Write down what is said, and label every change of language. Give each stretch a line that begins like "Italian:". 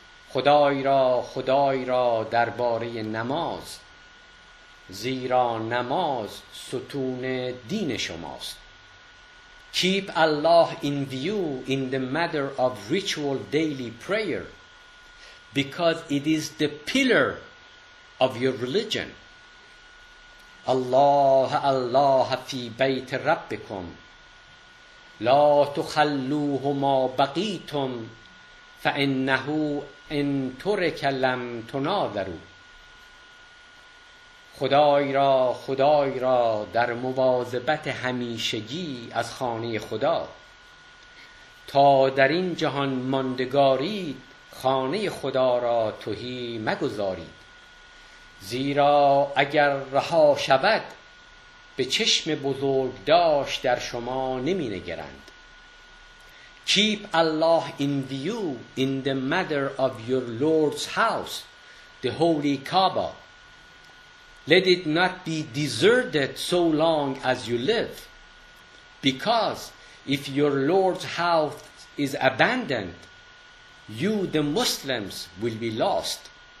Persian: خدای را خدای را درباره نماز زیرا نماز ستون دین شماست.
English: Keep Allah in view in the matter of ritual daily prayer because it is the pillar of your religion.
Arabic: الله الله في بيت ربكم لا تخلوه ما بقيتم فإنه ان ترک لم تناظرو.
Persian: خدای را خدای را در مواظبت همیشگی از خانه خدا تا در این جهان ماندگارید خانه خدا را تهی مگذارید زیرا اگر رها شود به چشم بزرگ داشت در شما نمی نگرند.
English: Keep Allah in view in the matter of your Lord's house, the Holy Kaaba. Let it not be deserted so long as you live. Because if your Lord's house is abandoned, you, the Muslims, will be lost.